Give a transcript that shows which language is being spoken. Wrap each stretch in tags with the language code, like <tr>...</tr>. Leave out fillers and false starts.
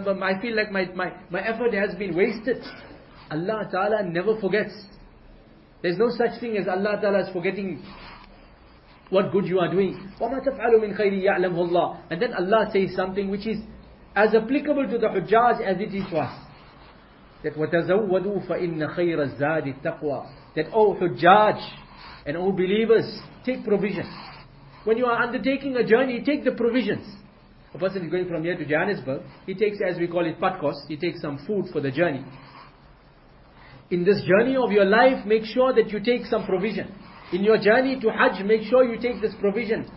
<en>I feel like my effort has been wasted. Allah Ta'ala never forgets. There's no such thing as Allah Ta'ala is forgetting what good you are doing.</en> <ar>وَمَا تَفْعَلُ مِنْ خَيْرِ يَعْلَمْهُ اللَّهُ.</ar> <en>And then Allah says something which is as applicable to the Hujjaj as it is to us.</en> <ar>That وَتَزَوَّدُوا فَإِنَّ خَيْرَ الزَّادِ التَّقْوَى.</ar> <en>That, O Hujjaj and O believers, take provision. When you are undertaking a journey, take the provisions. A person is going from here to Johannesburg, he takes, as we call it, patkos, he takes some food for the journey. In this journey of your life, make sure that you take some provision. In your journey to Hajj, make sure you take this provision.</en>